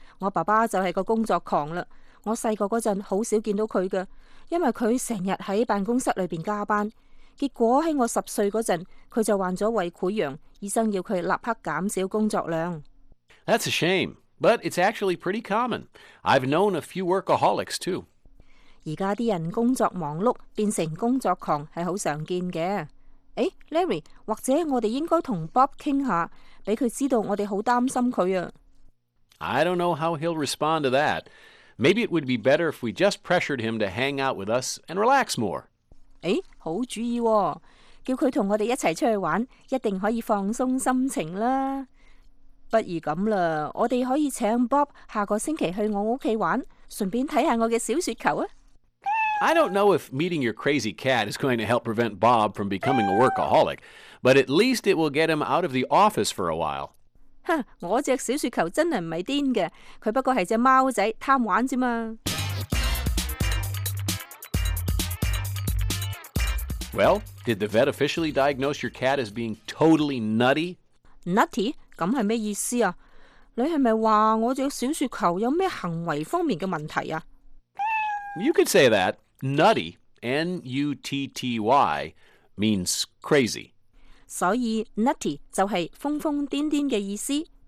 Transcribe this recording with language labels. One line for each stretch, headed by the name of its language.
Cantonese: 我爸爸就系个工作狂啦。我细个嗰阵好少见到佢噶，因为佢成日喺办公室里边加班。结果在我十岁嗰阵，佢就患咗胃溃疡，医生要佢立刻减少工作量。
English: That's a shame, but it's actually pretty common. I've known a few workaholics too.
Cantonese: 而家啲人工作忙碌变成工作狂系好常见嘅。 Larry， 或者我哋应该同 Bob 倾下，俾佢知道我哋好担心佢啊。
English: I don't know how he'll respond to that. Maybe it would be better if we just pressured him to hang out with us and relax more.
Cantonese: 好主意哦，叫佢同我哋一齐出去玩，一定可以放松心情啦。不如咁啦，我哋可以请 Bob 下个星期去我屋企玩，顺便睇下我嘅小雪球啊。
English: I don't know if meeting your crazy cat is going to help prevent Bob from becoming a workaholic, but at least it will get him out of the office for a while.
Cantonese: 哈，我只小雪球真系唔系癫嘅，佢不过系只猫仔贪玩啫嘛。
English: Well, did the vet officially diagnose your cat as being totally nutty?
Cantonese: Nutty? 咁系咩意思啊？你系咪话我只小雪球有咩行为方面嘅问题啊？
English: You could say that. Nutty, N-U-T-T-Y, means crazy.
Cantonese: 所以 nutty 就系疯疯癫癫嘅意思。